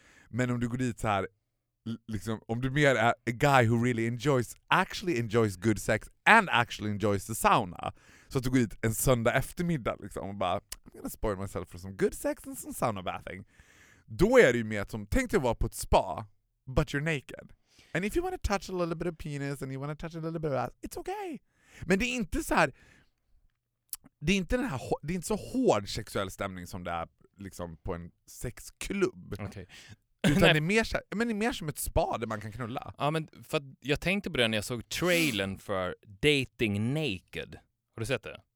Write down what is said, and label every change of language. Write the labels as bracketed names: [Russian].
[Swedish] Men om du går dit så här, liksom, om du mer är [English] a guy who really enjoys, actually enjoys good sex and actually enjoys the sauna. [Swedish] Så att du går dit en söndag eftermiddag liksom, och bara, [English] I'm gonna spoil myself for some good sex and some sauna bathing. [Swedish] Då är det ju mer som, tänk dig vara på ett spa, [English] but you're naked. And if you want to touch a little bit of penis and you want to touch a little bit of ass, it's okay. [Swedish] Men det är inte så här. Det är inte den här, det är inte så hård sexuell stämning som det är liksom på en sexklubb. [English] Okay. [Swedish] Utan det är mer så här, men det är mer som ett spa där man kan knulla. Ja, men för att jag tänkte på det när jag såg trailern för Dating Naked. Har du sett det?